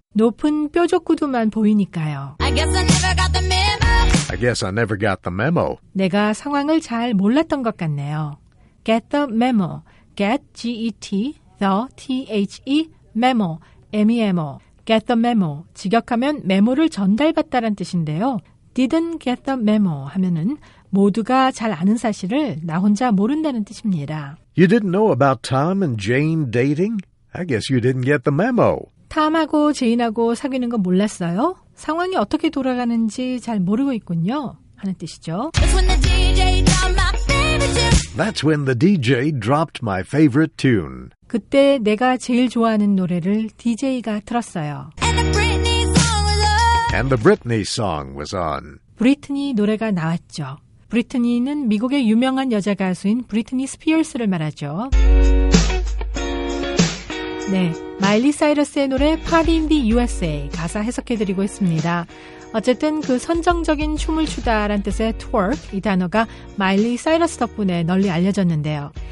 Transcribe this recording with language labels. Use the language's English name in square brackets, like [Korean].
[Korean] 높은 뾰족구두만 보이니까요. [English] I guess I never got the memo. I guess I never got the memo. [Korean] 내가 상황을 잘 몰랐던 것 같네요. [English] Get the memo. Get, G-E-T, the, T-H-E, memo, M-E-M-O. Get the memo. [Korean] 직역하면 메모를 전달받다란 뜻인데요. [English] Didn't get the memo [Korean] 하면은 모두가 잘 아는 사실을 나 혼자 모른다는 뜻입니다. [English] You didn't know about Tom and Jane dating? I guess you didn't get the memo. [Korean] 탐하고 제인하고 사귀는 건 몰랐어요? 상황이 어떻게 돌아가는지 잘 모르고 있군요. 하는 뜻이죠. [English] That's when the DJ dropped my favorite tune. That's when the DJ dropped my favorite tune. [Korean] 그때 내가 제일 좋아하는 노래를 DJ가 틀었어요. [English] And the Britney song was on. And the Britney song was on. [Korean] 브리트니 노래가 나왔죠. 브리트니는 미국의 유명한 여자 가수인 브리트니 스피어스를 말하죠. 네, 마일리 사이러스의 노래 Party in the USA 가사 해석해드리고 있습니다. 어쨌든 그 선정적인 춤을 추다란 뜻의 twerk 이 단어가 마일리 사이러스 덕분에 널리 알려졌는데요.